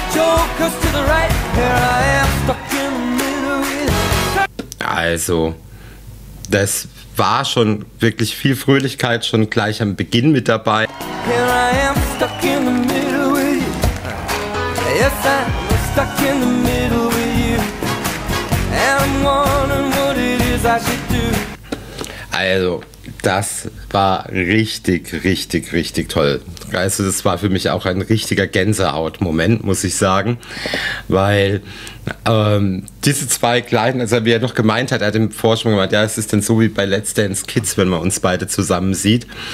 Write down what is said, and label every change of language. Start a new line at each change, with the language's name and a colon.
English: Jokers to the right, here I am stuck in the middle with.
German: Also, das war schon wirklich viel Fröhlichkeit schon gleich am Beginn mit dabei.
English: Here I am stuck in the middle with you. Yes, I'm stuck in the middle with you. And I'm wondering what it is I should do.
German: Also, das war richtig, richtig, richtig toll. Also, das war für mich auch ein richtiger Gänsehautmoment, muss ich sagen. Weil diese zwei Kleinen, also wie er noch gemeint hat, er hat im Vorsprung gemeint, ja, es ist dann so wie bei Let's Dance Kids, wenn man uns beide zusammen sieht.